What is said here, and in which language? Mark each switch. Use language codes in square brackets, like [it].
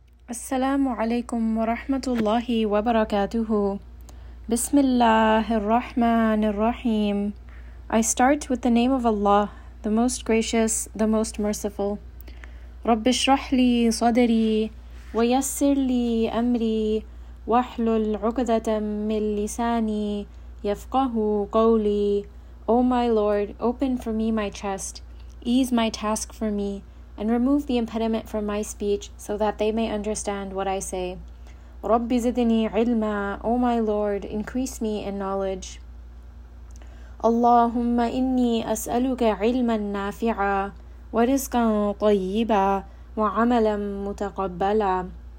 [ar] السلام عليكم ورحمة الله وبركاته. بسم الله الرحمن الرحيم. [en] I start with the name of Allah, the most gracious, the most merciful. [ar] رب اشرح لي صدري ويسر لي أمري واحلل عقدة من لساني يفقه قولي. [en] O my Lord, open for me my chest, ease my task for me, and remove the impediment from my speech so that they may understand what I say. [ar] رَبِّ زِدْنِي عِلْمًا. [en] O my Lord, increase me in knowledge. [ar] اللَّهُمَّ إِنِّي أَسْأَلُكَ عِلْمًا نَافِعًا وَرِزْقًا طَيِّبًا وَعَمَلًا مُتَقَبَّلًا.